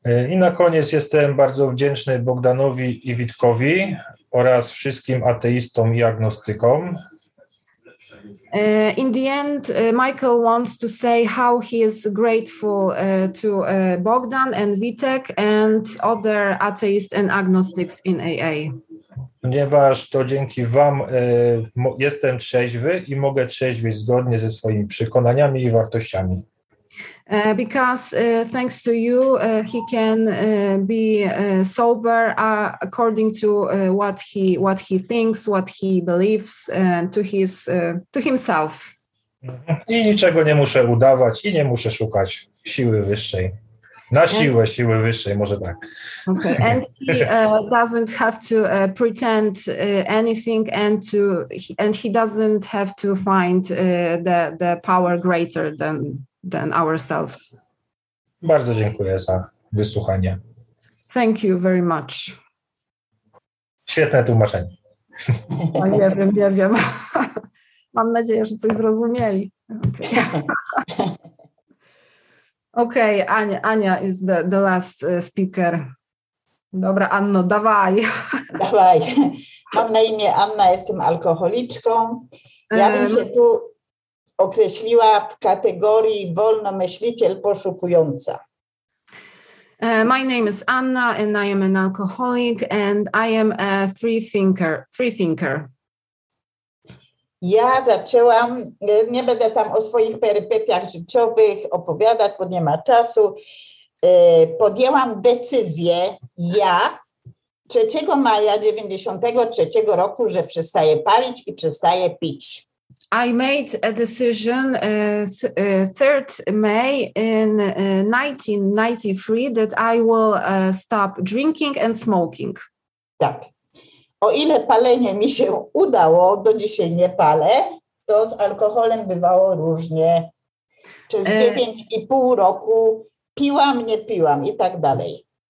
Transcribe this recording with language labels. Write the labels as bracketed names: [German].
[Polish] I na koniec jestem bardzo wdzięczny Bogdanowi i Witkowi oraz wszystkim ateistom i agnostykom. [English] In the end, Michael wants to say how he is grateful to Bogdan and Witek and other atheists and agnostics in AA. [Polish] Ponieważ to dzięki wam jestem trzeźwy i mogę trzeźwić zgodnie ze swoimi przekonaniami i wartościami. [English] Because thanks to you, he can be sober according to what he thinks, what he believes, to himself. [Polish] I niczego nie muszę udawać i nie muszę szukać siły wyższej. Na siłę siły wyższej, może tak. [English] Okay. And he doesn't have to pretend anything, and he doesn't have to find the power greater than ourselves. [Polish] Bardzo dziękuję za wysłuchanie. [English] Thank you very much. [Polish] Świetne tłumaczenie. No, ja wiem. Mam nadzieję, że coś zrozumieli. Okej, okay. [English] Okay, Ania is the last speaker. [Polish] Dobra, Anno, dawaj. Dawaj. Mam na imię Anna, jestem alkoholiczką. Ja bym się tu określiła w kategorii wolnomyśliciel poszukująca. [English] My name is Anna and I am an alcoholic and I am a free thinker. [Polish] Ja zaczęłam, nie będę tam o swoich perypetiach życiowych opowiadać, bo nie ma czasu. Podjęłam decyzję ja 3 maja 93 roku, że przestaję palić i przestaję pić. [English] I made a decision 3rd May in 1993 that I will stop drinking and smoking. [Polish] Tak. O ile palenie mi się udało, do dzisiaj nie palę, to z alkoholem bywało różnie. Przez 9,5 roku piłam, nie piłam i tak dalej.